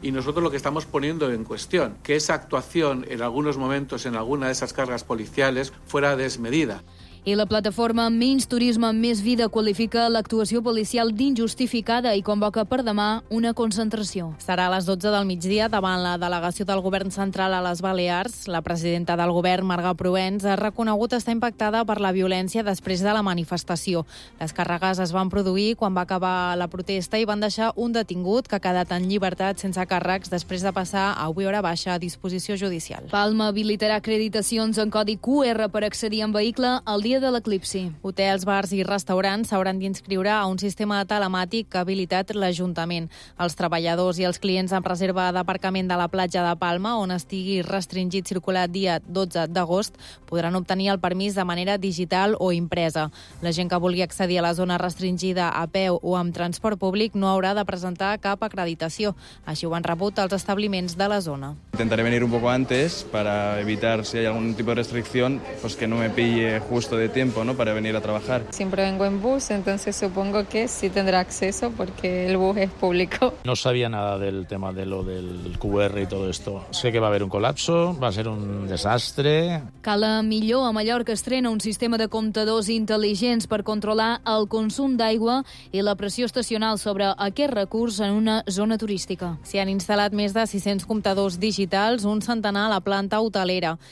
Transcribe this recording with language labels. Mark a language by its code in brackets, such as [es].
[es] Y nosotros lo que estamos poniendo en cuestión, que esa actuación en algunos momentos en alguna de esas cargas policiales fuera desmedida. [ca] I la plataforma Menys Turisme, Més Vida qualifica l'actuació policial d'injustificada i convoca per demà una concentració. Serà a les 12 del migdia davant la delegació del Govern Central a les Balears. La presidenta del Govern, Marga Provenç, ha reconegut estar impactada per la violència després de la manifestació. Les càrregues es van produir quan va acabar la protesta i van deixar un detingut que ha quedat en llibertat sense càrrecs després de passar a 8 hora baixa a disposició judicial. Palma habilitarà acreditacions en codi QR per accedir en vehicle al dia de l'eclipsi. Hotels, bars i restaurants s'hauran d'inscriure a un sistema telemàtic que ha habilitat l'Ajuntament. Els treballadors i els clients amb reserva d'aparcament de la platja de Palma, on estigui restringit circular dia 12 d'agost, podran obtenir el permís de manera digital o impresa. La gent que vulgui accedir a la zona restringida a peu o amb transport públic no haurà de presentar cap acreditació. Així ho han rebut els establiments de la zona. [es] Intentaré venir un poco antes para evitar, si hay algún tipo de restricción, pues que no me pille justo de tiempo, ¿no?, para venir a trabajar. Siempre vengo en bus, entonces supongo que sí tendrá acceso porque el bus es público. No sabía nada del tema de lo del QR y todo esto. Sé que va a haber un colapso, va a ser un desastre. [ca] Cala millor. A Mallorca estrena un sistema de comptadors intel·ligents per controlar el consum d'aigua i la pressió estacional sobre aquest recurs en una zona turística. S'hi han instal·lat més de 600 comptadors digitals, un centenar a la planta hotelera.